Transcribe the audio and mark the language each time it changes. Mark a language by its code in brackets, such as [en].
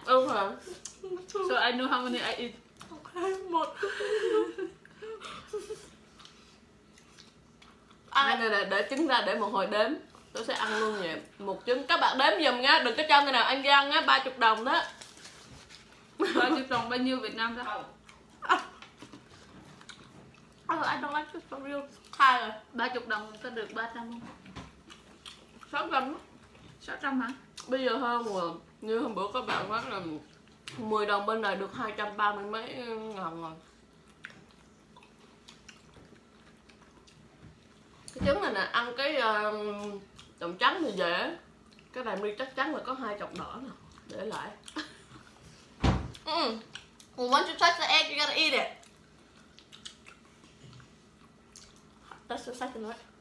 [en] Okay. So I know how many I eat. [vi] Okay, một. Này để trứng ra để một hồi đếm. Tôi sẽ ăn luôn nhỉ. Một trứng. Các bạn đếm giùm nha. Đừng có cho người nào ăn gian nha. 30 đồng đó. 30 đồng bao nhiêu Việt Nam ra? [en] Oh. I don't like this for real. [vi] Hai rồi. 30 đồng sẽ được 300 không? 600. 600 hả? Bây giờ hơn rồi. Như hôm bữa các bạn nói là 10 đồng bên này được 230 mấy ngàn rồi. Cái trứng này nè, ăn cái chồng trắng thì dễ. Cái này mi chắc chắn là có hai chọc đỏ nè. Để lại. [en] Once you touch the egg, you gotta eat it. That's your second, right?